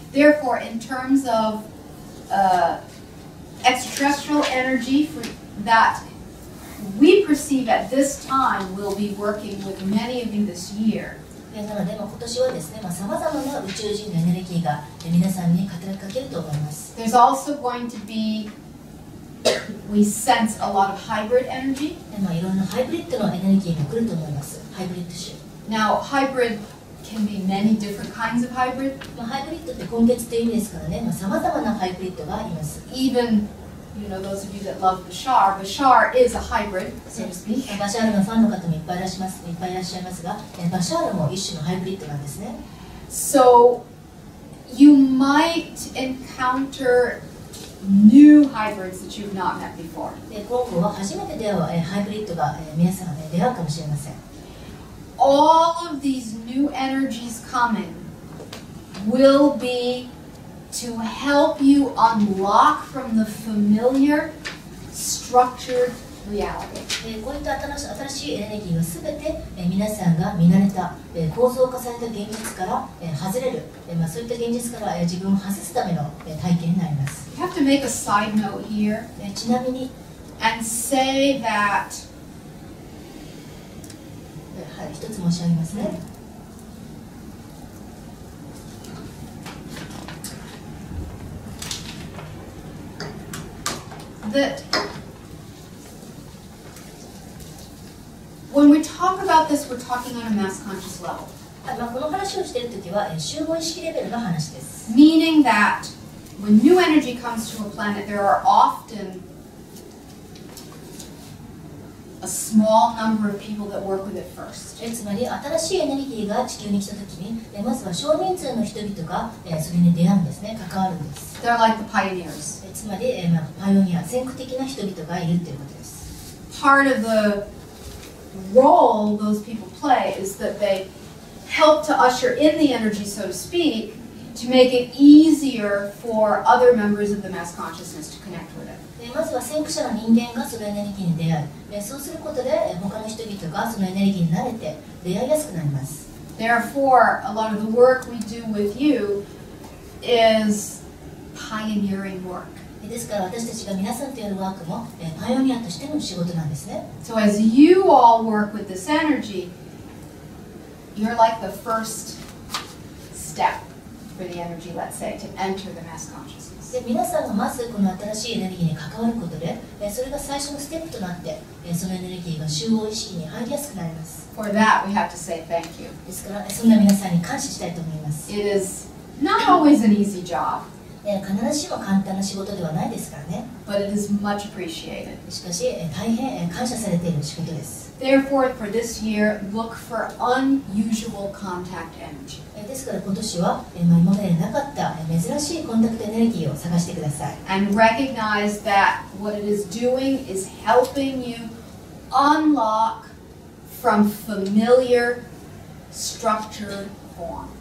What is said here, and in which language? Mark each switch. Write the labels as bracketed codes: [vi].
[en] Therefore, in terms of extraterrestrial energy for that we perceive at this time will be working with many of you this year. [ja] なので今年はですね、さまざまな宇宙人のエネルギーが皆さんに働きかけると思います。 [en] There's also going to beWe sense a lot of hybrid energy. [ja] いろんなハイブリッドのエネルギーが来ると思います。ハイブリッド種。 [en] Now, hybrid can be many different kinds of hybrid. [ja] ハイブリッドって混血って意味ですからね。さまざまなハイブリッドがあります。 [en] Even, you know, those of you that love Bashar, Bashar is a hybrid, so to speak. [ja] Bashar のファンの方もいっぱいいらっしゃいますが、Bashar も一種のハイブリッドなんですね。 [en] So, you might encounter. New hybrids that you've not met before. [ja] 今後は初めて出会うハイブリッドが皆さん出会うかもしれません。 [en] All of these new energies coming will be to help you unlock from the familiar structured reality. [ja] こういった新しいエネルギーはすべて皆さんが見慣れた構造化された現実から外れる、そういった現実から自分を外すための体験になります。 [en] I have to make a side note here [ja] ちなみに [en] and say that [ja] はい、一つ申し上げますね。 [en] That when we talk about this, we're talking on a mass conscious level. [ja] この話をしているときは集合意識レベルの話です。 [en] Meaning that when new energy comes to a planet, there are often a small number of people that work with it first. [ja] つまり新しいエネルギーが地球に来たときに、まずは少人数の人々がそれに出会うんですね、関わるんです。 [en] They're like the pioneers. [ja] つまり、パイオニア、先駆的な人々がいるということです。 [en] Part of the role those people play is that they help to usher in the energy, so to speak, to make it easier for other members of the mass consciousness to connect with it. [ja] まずは先駆者の人間がそのエネルギーに出会う。そうすることで、他の人々がそのエネルギーに慣れて出会いやすくなります。 [en] Therefore, a lot of the work we do with you is pioneering work. [ja] ですから私たちが皆さんとやるワークもパイオニアとしての仕事なんですね。 [en] So as you all work with this energy, you're like the first step for the energy, let's say, to enter the mass consciousness. [ja] で、皆さんがまずこの新しいエネルギーに関わることで、それが最初のステップとなって、そのエネルギーが集合意識に入りやすくなります。 [en] For that, we have to say thank you. [ja] ですから、そんな皆さんに感謝したいと思います。 [en] It is not always an easy job. [ja] 必ずしも簡単な仕事ではないですからね。 [en] But it is much appreciated. [ja] しかし、大変感謝されている仕事です。 [en] Therefore, for this year, look for unusual contact energy. [ja] ですから今年は、今までになかった珍しいコンタクトエネルギーを探してください。 [en] And recognize that what it is doing is helping you unlock from familiar structured form.